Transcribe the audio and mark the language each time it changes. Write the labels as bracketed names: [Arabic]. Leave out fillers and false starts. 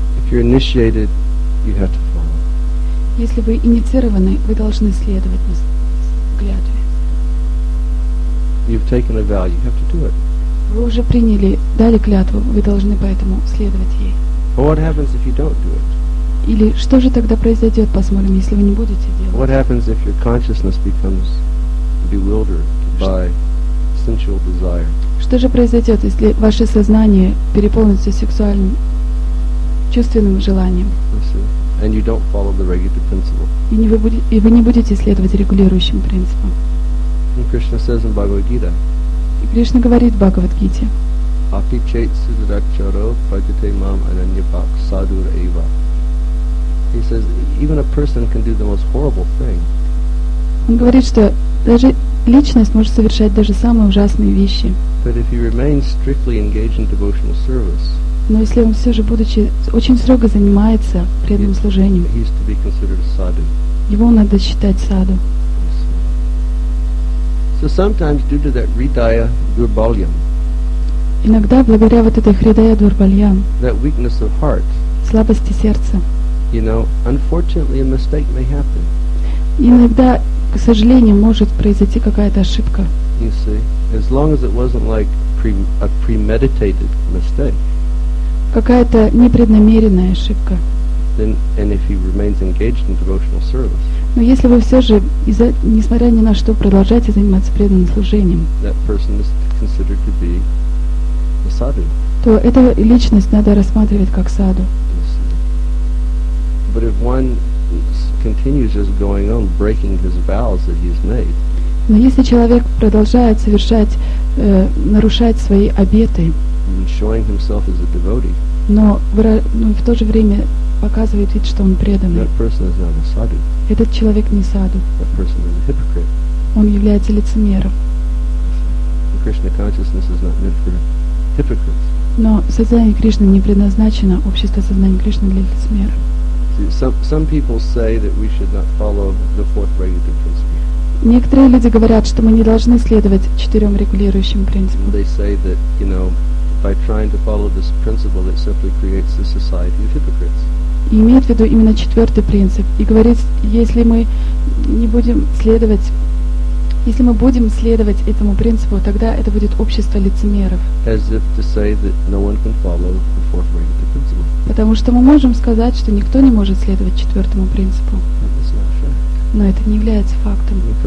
[English] you're initiated, you have to follow. [Russian] Если вы инициированы, вы должны следовать клятве. [English] You've taken a vow, you have to do it. [Russian] Вы уже приняли, дали клятву, вы должны поэтому следовать ей. [English] But what happens if you don't do it? [Russian] Или что же тогда произойдет, посмотрим, если вы не будете делать? [English] What happens if your consciousness becomes bewildered by sensual desire? [Russian] Что же произойдет, если ваше сознание переполнится сексуальным, чувственным желанием? [English] And you don't follow the regulative principle. [Russian] И вы не будете следовать регулирующим принципам. [English] And Krishna says in Bhagavad Gita. [Russian] И Кришна говорит в Бхагавад-гите. [Sanskrit] Апичейт сидракчаро паджите мам ананьяпак садур эйва. [English] He says, even a person can do the most horrible thing. [Russian] Он говорит, что даже личность может совершать даже самые ужасные вещи. [English] But if you remain strictly engaged in devotional service. [Russian] Но если он все же, будучи очень строго занимается преданным служением, [English] he is to be considered sadhu. [Russian] Его надо считать саду. [English] So sometimes due to that ridaya durbalyam. [Russian] Иногда благодаря вот этой хридая дурбальям. [English] That weakness of heart. [Russian] Слабости сердца. [English] You know, unfortunately, a mistake may happen. [Russian] Иногда, к сожалению, может произойти какая-то ошибка. [English] You see, as long as it wasn't like a premeditated mistake. [Russian] Какая-то непреднамеренная ошибка. [English] Then, and if he remains engaged in devotional service. [Russian] Но если вы все же, несмотря ни на что, продолжаете заниматься преданным служением. [English] That person is considered to be a sadhu. [Russian] То эту личность надо рассматривать как саду. [English] But if one continues just going on breaking his vows that he's made. [Russian] Но если человек продолжает совершать, нарушать свои обеты. [English] Showing himself as a devotee. [Russian] Но в то же время показывает вид, что он преданный. [English] That person is not a sadhu. [Russian] Этот человек не саду. [English] That person is a hypocrite. [Russian] Он является лицемером. [English] Krishna consciousness is not meant for hypocrites. [Russian] Но сознание Кришны не предназначено, общество сознания Кришны для лицемера. [English] Some people say that we should not follow the fourth regulative principle. [Russian] Некоторые люди говорят, что мы не должны следовать четырем регулирующим принципам. [English] They say that, you know, by trying to follow this principle, it simply creates a society of hypocrites. [Russian] И имеет в виду именно четвертый принцип и говорит, если мы не будем следовать, если мы будем следовать этому принципу, тогда это будет общество лицемеров. [English] As if to say that no one can follow the fourth regulative. [Russian] Потому что мы можем сказать, что никто не может следовать четвертому принципу. Но это не является фактом.